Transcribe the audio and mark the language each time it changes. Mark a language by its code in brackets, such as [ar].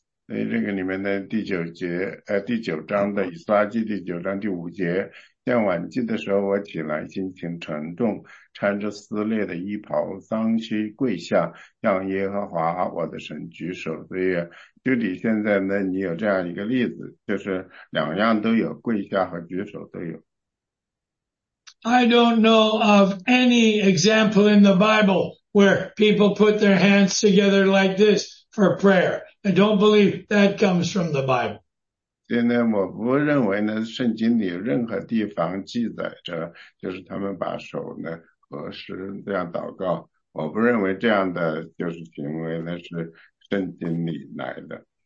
[zh] 所以这个里面的第九节，第九章的以斯拉记第九章第五节，向晚祭的时候，我起来，心情沉重，穿着撕裂的衣袍，脏兮跪下，向耶和华我的神举手。所以，就你现在呢，你有这样一个例子，就是两样都有，跪下和举手都有。 [en] I don't know of any example in the Bible where people put their hands together like this for prayer. I don't believe that comes from the Bible. [zh] 现在我不认为呢，圣经里任何地方记载着，就是他们把手呢合十这样祷告。我不认为这样的就是行为呢是圣经里来的。